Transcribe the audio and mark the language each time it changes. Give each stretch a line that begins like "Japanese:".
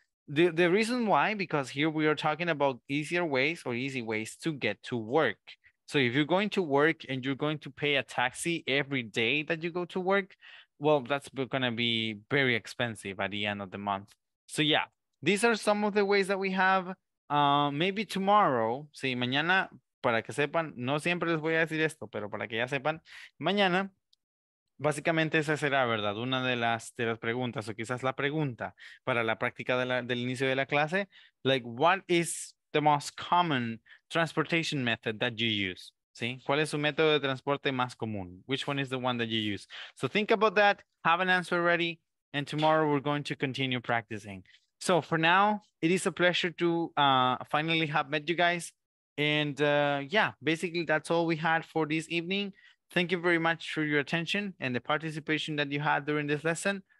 English: The reason why, because here we are talking about easier ways or easy ways to get to work. So if you're going to work and you're going to pay a taxi every day that you go to work, well, that's going to be very expensive at the end of the month. So yeah, these are some of the ways that we have. Maybe tomorrow,
Spanish: sí, mañana, para que sepan, no siempre les voy a decir esto, pero para que ya sepan, mañana, básicamente esa será, ¿verdad? Una de las preguntas, o quizás la pregunta para la práctica del inicio de la clase.
English: Like, what is the most common transportation method that you use?
Spanish: ¿Sí? ¿Cuál es su método de transporte más común?
English: Which one is the one that you use? So think about that, have an answer ready, and tomorrow we're going to continue practicing. So for now, it is a pleasure to finally have met you guys. And yeah, basically that's all we had for this evening. Thank you very much for your attention and the participation that you had during this lesson.